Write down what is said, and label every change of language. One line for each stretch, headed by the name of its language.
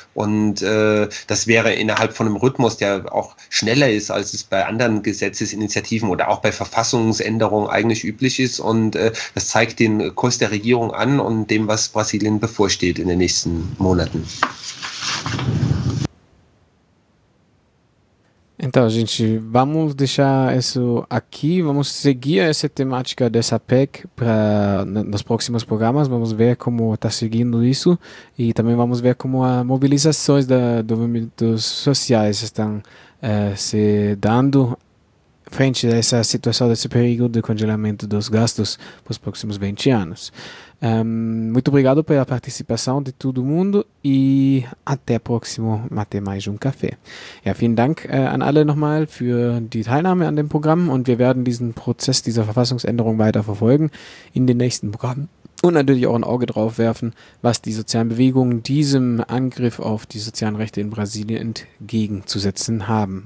German: Und das wäre innerhalb von einem Rhythmus, der auch schneller ist, als es bei anderen Gesetzesinitiativen oder auch bei Verfassungsänderungen eigentlich üblich ist. Und das zeigt den Kurs der Regierung an und dem, was Brasilien bevorsteht in den nächsten Monaten.
Portuguese: Então, gente, vamos deixar isso aqui. Vamos seguir essa temática dessa PEC para nos próximos programas. Vamos ver como está seguindo isso. E também vamos ver como as mobilizações dos movimentos sociais estão se dando frente a essa situação, desse perigo de congelamento dos gastos para os próximos 20 anos. Muito obrigado pela participação de todo mundo e até próximo Mate Mais um Café.
German: Ja, vielen Dank an alle nochmal für die Teilnahme an dem Programm und wir werden diesen Prozess dieser Verfassungsänderung weiter verfolgen in den nächsten Programmen und natürlich auch ein Auge drauf werfen, was die sozialen Bewegungen diesem Angriff auf die sozialen Rechte in Brasilien entgegenzusetzen haben.